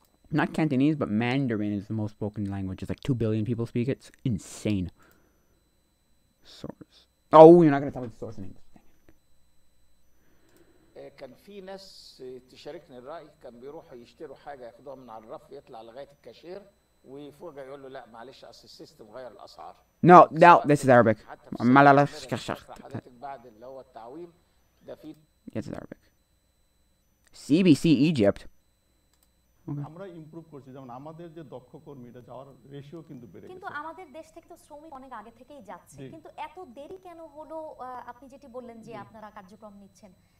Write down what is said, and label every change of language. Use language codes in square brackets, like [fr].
[en] Not Cantonese, but Mandarin is the most spoken language. It's like 2 billion people speak it. It's insane. Source. Oh, you're not going to tell me the source in English. [ar] كان في ناس تشاركني الرأي كان بيروحوا يشتروا حاجة ياخدوها من على الرف يطلع لغاية الكاشير ويفوجئ يقول له لا معلش أصل السيستم غير الأسعار. [en] No, no, this is Arabic. [ar] معلش كشخ. بعد اللي هو التعويم ده في. [en] Yes, it's Arabic. CBC Egypt. [bn] আমরা improve করছি যেমন আমাদের যে দক্ষ কর্মীটা যাওয়ার ratio কিন্তু বেড়ে গেছে কিন্তু আমাদের দেশ থেকে তো শ্রমিক অনেক আগে থেকেই যাচ্ছে কিন্তু এত দেরি কেন হলো আপনি যেটি বললেন যে আপনারা কার্যক্রম নিচ্ছেন